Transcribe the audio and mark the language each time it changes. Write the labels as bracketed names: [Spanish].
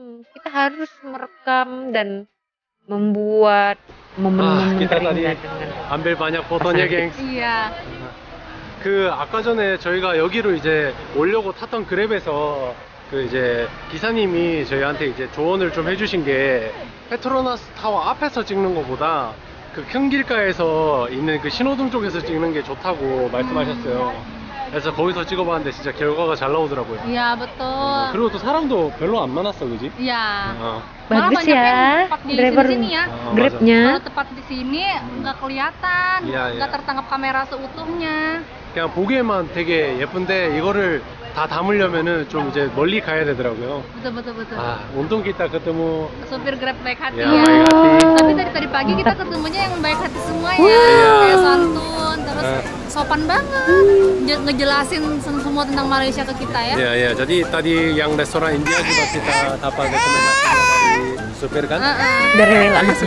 [Indonesian] Kita harus merekam dan membuat momen-momen kita tadi ambil banyak fotonya, gengs. Iya. [Korean] 그 아까 전에 저희가 여기로 이제 오려고 탔던 그랩에서 그 이제 기사님이 저희한테 이제 조언을 좀 해주신 게 페트로나스 타워 앞에서 찍는 것보다 그 큰 길가에서 있는 그 신호등 쪽에서 찍는 게 좋다고 말씀하셨어요. 그래서 거기서 찍어봤는데 진짜 결과가 잘 나오더라고요. 이야, 맞다. 그리고 또 사람도 별로 안 많았어, 그지? 이야. [Indonesian] bagus ya. Driver grabnya. [Korean] 그래서 [Indonesian] tepat di sini nggak kelihatan, nggak tertangkap kamera seutuhnya. [Korean] 그냥 보기에만 되게 예쁜데 이거를 다 담으려면은 좀 이제 멀리 가야 되더라고요. 맞아. 아, 운동 기타 [Indonesian] ketemu. Sopir Grab baik hati. Ya, baik hati. Tapi dari pagi kita ketemunya yang baik hati semua ya. Kayak santun, terus sopan banget. Ngejelasin semua tentang Malaysia ke kita ya. Iya. Jadi tadi yang restoran India juga kita dapat rekomendasi dari sopir kan? Dari Malaysia.